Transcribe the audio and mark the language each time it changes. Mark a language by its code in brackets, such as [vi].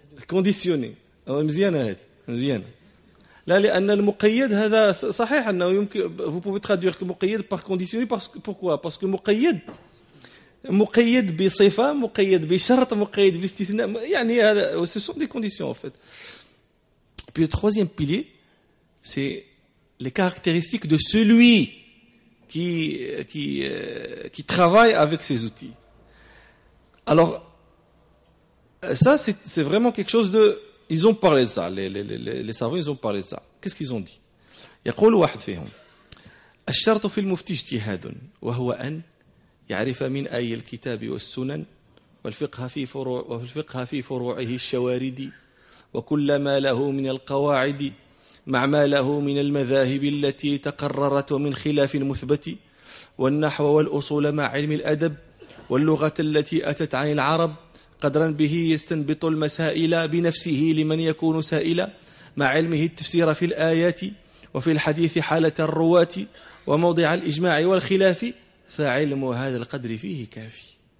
[ar] كونديسيوني مزيانه مزيانه لا لان المقيد هذا صحيح انه يمكن [fr] vous pouvez traduire que [ar] مقيد [fr] par conditionné parce que [ar] مقيد بصفه مقيد بشرط مقيد باستثناء يعني هذا [fr] ce sont des conditions en fait. Puis le troisième pilier, c'est les caractéristiques de celui qui travaille avec ces outils. Alors ça, c'est vraiment quelque chose de... Ils ont parlé de ça, les savants, ils ont parlé de ça. Qu'est-ce qu'ils ont dit? [ar] يقول واحد فيهم الشرط في المفتي اجتهاد وهو أن يعرف من أي الكتاب والسنن والفقه في فروعه الشواردي وكل ما له من القواعد مع ما له من المذاهب التي تقررت ومن خلاف المثبت والنحو والأصول مع علم الأدب واللغة التي أتت عن العرب قدرا به يستنبط المسائل بنفسه لمن يكون سائلا مع علمه التفسير في الآيات وفي الحديث حالة الرواة وموضع الإجماع والخلاف فعلم هذا القدر فيه كافي.